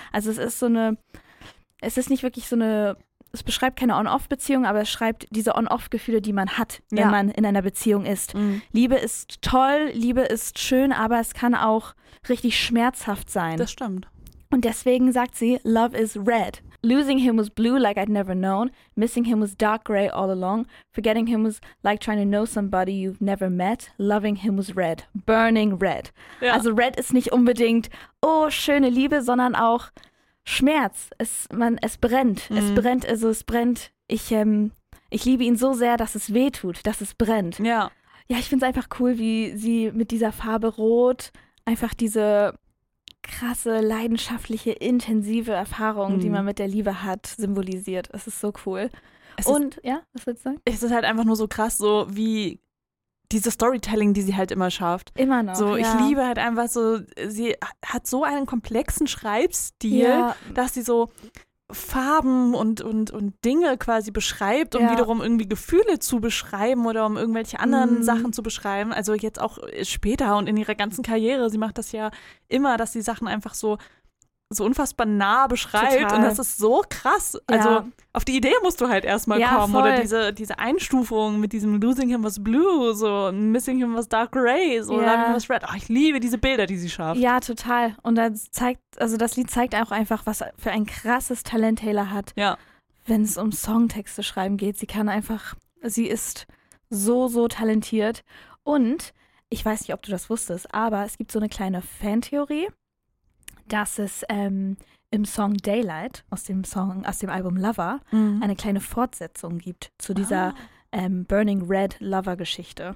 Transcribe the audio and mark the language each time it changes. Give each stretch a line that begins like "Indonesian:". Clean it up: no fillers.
German: Also es ist so eine es beschreibt keine On-Off-Beziehung, aber es schreibt diese On-Off-Gefühle, die man hat, wenn man in einer Beziehung ist. Liebe ist toll, Liebe ist schön, aber es kann auch richtig schmerzhaft sein. Das stimmt. Und deswegen sagt sie,
English: Love is red. Losing him was blue like I'd never known. Missing him was dark gray all along. Forgetting him was like trying to know somebody you've never met. Loving him was red. Burning red.
German: Ja. Also red ist nicht unbedingt, oh, schöne Liebe, sondern auch Schmerz, es brennt, es brennt. Ich liebe ihn so sehr, dass es weh tut, dass es brennt. Ja. Ja, ich finde es einfach cool, wie sie mit dieser Farbe Rot einfach diese krasse, leidenschaftliche, intensive Erfahrung, die man mit der Liebe hat, symbolisiert. Es ist so cool. Was willst du sagen? Es ist halt einfach nur so krass, so wie diese Storytelling, die sie halt immer schafft. Immer noch. So, ich liebe halt einfach so, sie hat so einen komplexen Schreibstil, dass sie so Farben und Dinge quasi beschreibt, um wiederum irgendwie Gefühle zu beschreiben oder um irgendwelche anderen Sachen zu beschreiben. Also jetzt auch später und in ihrer ganzen Karriere, sie macht das ja immer, dass sie Sachen einfach so unfassbar nah beschreibt. Total. Und das ist so krass. Ja. Also auf die Idee musst du halt erstmal kommen. Voll. Oder diese Einstufung mit diesem
English: Losing him was blue,
German: so
English: Missing him was dark gray,
German: so
English: Loving him was red.
German: Oh, ich liebe diese Bilder, die sie schafft. Ja, total. Und das Lied zeigt auch einfach, was für ein krasses Talent Taylor hat, wenn es um Songtexte schreiben geht. Sie ist so, so talentiert. Und ich weiß nicht, ob du das wusstest, aber es gibt so eine kleine Fantheorie, dass es im Song Daylight aus dem Album Lover eine kleine Fortsetzung gibt zu dieser Burning Red Lover Geschichte.